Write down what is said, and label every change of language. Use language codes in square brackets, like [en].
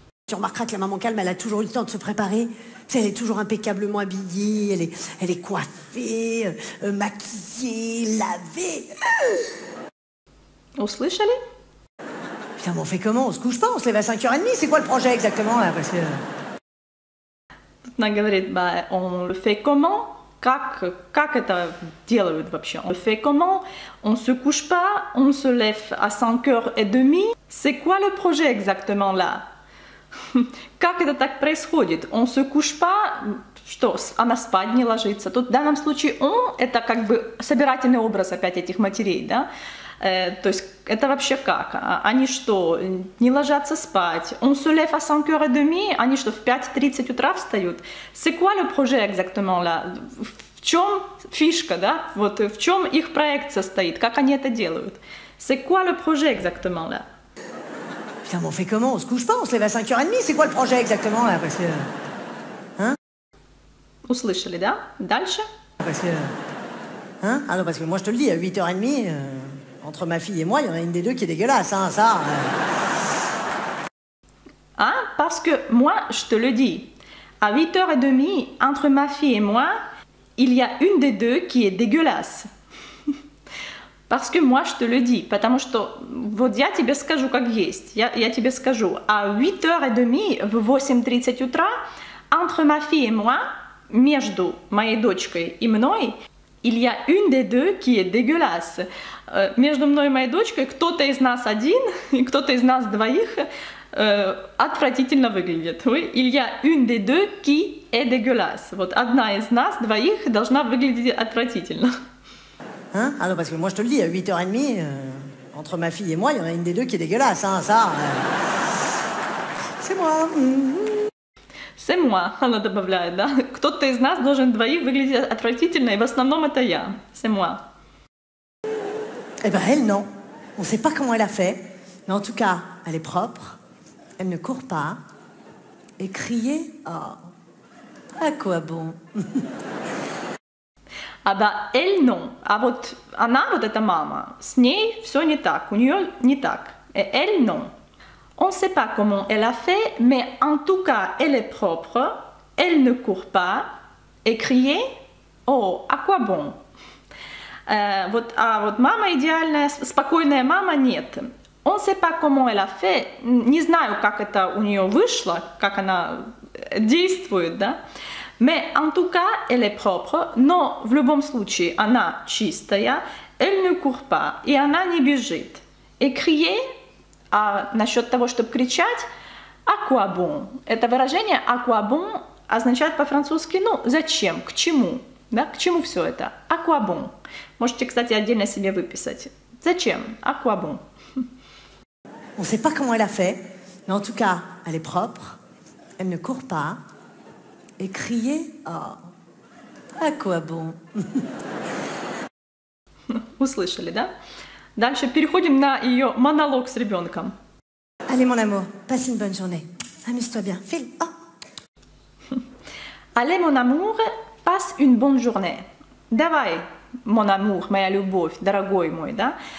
[fr] Tu remarqueras que la maman calme, elle a toujours eu le temps de se préparer. Tu sais, elle est toujours impeccablement habillée, elle est coiffée, maquillée, lavée. Vous [ru] слышали? [fr] Putain, mais on fait comment? On se couche pas? On se lève à 5h30? C'est quoi le projet exactement là? Parce que... [ru] Тут она говорит, [fr] bah, on le fait comment? [ru] Как это делают вообще? [fr] On le fait comment? On se couche pas? On se lève à 5h30? C'est quoi le projet exactement là? [ru] Как это так происходит? Он [fr] se couche pas, [ru] что, она спать не ложится. Тут в данном случае он, это как бы собирательный образ опять этих матерей, да? То есть это вообще как? Они что, не ложатся спать? Он [fr] se lève à 5h30, [ru] они что, в 5:30 утра встают? [fr] C'est quoi le projet exactement là? [ru] В чем фишка, да? Вот в чем их проект состоит? Как они это делают? [fr] C'est quoi le projet exactement là? Putain, mais on fait comment? On se couche pas? On se lève à 5h30? C'est quoi le projet exactement là? Parce que... Hein? Vous [ru] слышали, да? Дальше? [fr] Parce que... Hein? Ah non, parce que moi je te le dis, à 8h30, entre ma fille et moi, il y en a une des deux qui est dégueulasse, hein, ça... Hein? Parce que moi, je te le dis, à 8h30, entre ma fille et moi, il y a une des deux qui est dégueulasse. Parce que moi je te le dis, [ru] потому что вот я тебе скажу [fr] как есть, я тебе скажу, à 8h30, [ru] в 8:30 утра, [fr] entre ma fille et moi, [ru] между моей дочкой и мной, [fr] il y a une des deux qui est dégueulasse. [ru] Между мной и моей дочкой кто-то из нас один, и кто-то из нас двоих отвратительно выглядит. [fr] Oui? Il y a une des deux qui est dégueulasse. [ru] Вот одна из нас двоих должна выглядеть отвратительно. [fr] Hein? Ah non, parce que moi je te le dis, à 8h30, entre ma fille et moi, il y en a une des deux qui est dégueulasse, hein, ça. C'est moi. C'est moi, [ru] она добавляет, да? Кто-то из нас должен двоих выглядеть отвратительно, и в основном это я. [fr] C'est moi. Eh ben elle, non. On ne sait pas comment elle a fait, mais en tout cas, elle est propre, elle ne court pas, et crier, oh, à quoi bon? [ru] А да, [fr] elle non. [ru] А вот она, вот эта мама, с ней все не так, у нее не так. [fr] Elle non. On ne sait pas comment elle a fait, mais en tout cas, elle est propre, elle ne court pas, et crier, oh, à quoi bon? [ru] Вот, а вот мама идеальная, спокойная мама, нет. [fr] On ne sait pas comment elle a fait, [ru] не знаю, как это у нее вышло, как она действует, да? [fr] Mais en tout cas, elle est propre. [ru] Но в любом случае, она чистая. [fr] Elle ne court pas. [ru] И она не бежит. [fr] Et crier, [ru] а насчет того, чтобы кричать, [fr] à quoi bon? [ru] Это выражение à quoi bon означает по-французски, ну, зачем, к чему, да, к чему все это? [fr] À quoi bon? [ru] Можете, кстати, отдельно себе выписать. Зачем? [fr] À quoi bon? On ne sait pas comment elle a fait, mais en tout cas, elle est propre. Elle ne court pas. Et crier, oh, à quoi bon? [ru] Услышали, да? Дальше переходим на ее монолог с ребенком. [fr] Allez, mon amour, passe une bonne journée. Amuse-toi bien. File. Oh. Allez, mon amour, passe une bonne journée. [ru] Давай, [fr] mon amour, [ru] моя любовь, дорогой мой, да?